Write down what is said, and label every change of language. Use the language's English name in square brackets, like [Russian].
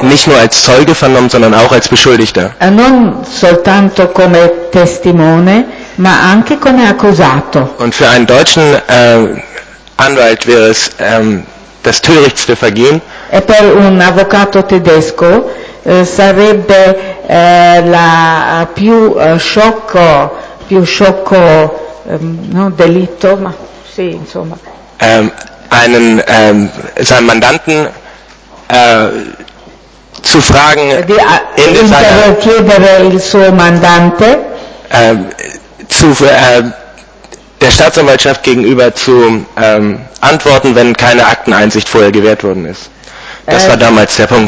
[German] nicht nur als Zeuge vernommen, sondern auch als Beschuldigter. [Italian] Non soltanto come testimone, ma anche come accusato. [German] Und für einen deutschen Anwalt wäre es das törichtste Vergehen. [Italian] E per un avvocato tedesco sarebbe la più sciocco, più sciocco no, delitto, ma sì, insomma. [German] Einen seinen Mandanten zu fragen, [Italian] chiedere il suo mandante [German] der Staatsanwaltschaft gegenüber zu antworten, wenn keine Akteneinsicht vorher gewährt worden ist. Das war damals der Punkt.